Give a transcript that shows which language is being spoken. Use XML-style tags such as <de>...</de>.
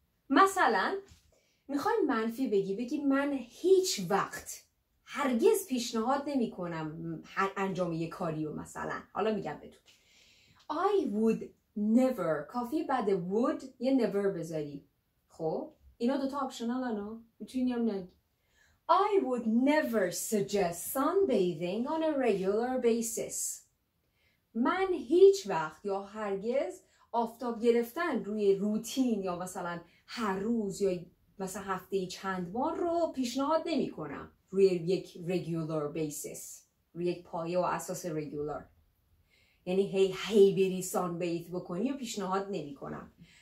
<fa>مثلا میخوای منفی بگی، بگی من هیچ وقت هرگز پیشنهاد نمی کنم انجام یه کاری رو. مثلا حالا میگم بهتون</fa> <en>I would never.</en> <fa>کافی بعد would یه never بذاری. خب اینا دوتا آپشنال هنو، میتونی هم نگی.</fa> <en>I would never suggest sunbathing on a regular basis.</en> <fa>من هیچ وقت یا هرگز آفتاب گرفتن روی روتین یا مثلا هر روز یا مثلا هفته چند بار رو پیشنهاد نمی کنم روی یک regular basis، روی یک پایه و اساس regular. یعنی هی بری sunbathe بکنی و پیشنهاد نمی کنم.</fa>